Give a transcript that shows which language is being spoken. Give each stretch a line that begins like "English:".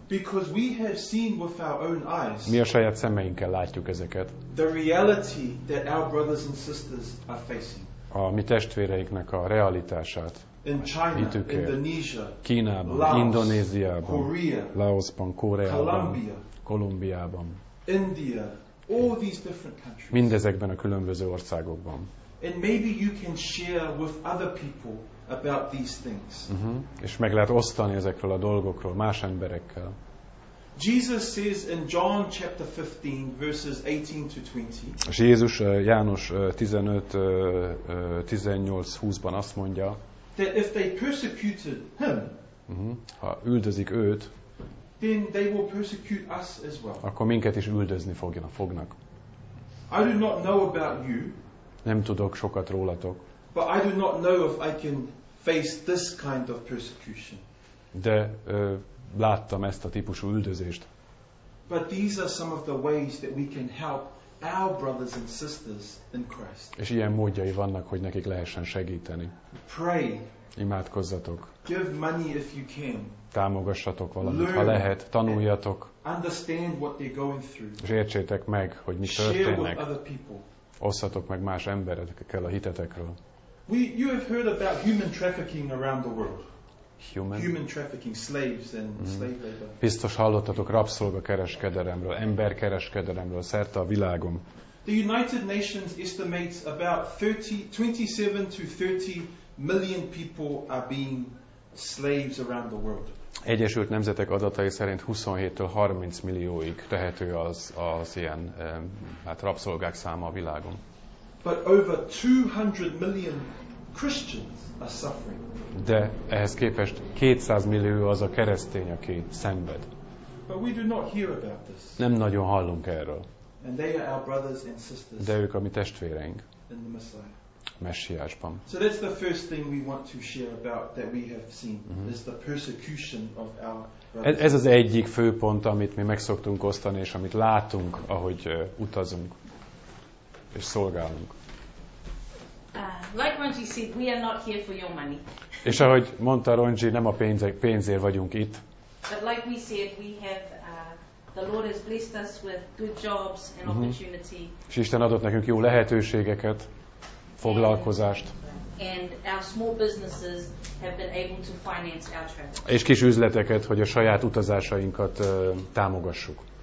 English: Because we have seen with our own eyes.
Hungarian: Mi a saját szemeinkkel látjuk ezeket.
English: The reality that our brothers and sisters are facing.
Hungarian: A mi testvéreiknek a realitását.
English: In China, Indonesia,
Hungarian: Kínában,
English: Laos,
Hungarian: Indonéziában,
English: Korea,
Hungarian: Laosban, Koreában,
English: Kolumbiában, India, all these different countries.
Hungarian: Mindezekben a különböző országokban.
English: And maybe you can share with other people about these things.
Hungarian: És meg lehet osztani ezekről a dolgokról más emberekkel.
English: Jesus says in John chapter 15 verses 18 to 20.
Hungarian: És Jézus János 15 18-20-ban azt mondja.
English: that if they persecuted him,
Hungarian: ha üldözik őt,
English: then they will persecute us as well.
Hungarian: Akkor minket is üldözni fognak.
English: I do not know about you.
Hungarian: Nem tudok sokat rólatok.
English: But I do not know if I can face this kind of persecution.
Hungarian: De láttam ezt a típusú üldözést.
English: But these are some of the ways that we can help our brothers and sisters in Christ.
Hungarian: És ilyen módjai vannak, hogy nekik lehessen segíteni.
English: Pray.
Hungarian: Imádkozzatok.
English: Give money if you can.
Hungarian: Támogassatok valamit, ha lehet, tanuljatok.
English: Understand what they're going through.
Hungarian: És értsétek meg, hogy mi történnek.
English: Share with other people.
Hungarian: Osszatok meg más emberekkel a hitetekről.
English: You have heard about human trafficking around the world. Human trafficking, slaves and slave labor.
Hungarian: Biztos hallottatok rabszolgakereskedelemről, emberkereskedelemről szerte a világon.
English: The United Nations estimates about 27 to 30 million people are being slaves around the world.
Hungarian: Egyesült Nemzetek adatai szerint 27-től 30 millióig tehető az ilyen hát rabszolgák száma a világon.
English: But over 200 million Christians are suffering.
Hungarian: De ehhez képest 200 millió az a keresztény, aki szenved.
English: But we do not hear about this.
Hungarian: Nem nagyon hallunk erről.
English: And they are our brothers and sisters.
Hungarian: De ők a mi testvéreink.
English: In the Messiah.
Hungarian: Messiásban.
English: So that's the first thing we want to share about that we have seen is the persecution of our brothers.
Hungarian: Ez az egyik fő pont, amit mi megszoktunk osztani és amit látunk, ahogy utazunk és szolgálunk.
English: Like Ronji said, we are not here for your money.
Hungarian: És ahogy mondta Ronji, nem a pénzért vagyunk itt.
English: But like we said, we have the Lord has blessed us with good jobs and opportunity.
Hungarian: És Isten adott nekünk jó lehetőségeket. Foglalkozást.
English: And our small businesses have been able to finance our travel.
Hungarian: És kis üzleteket, hogy a saját utazásainkat támogassuk.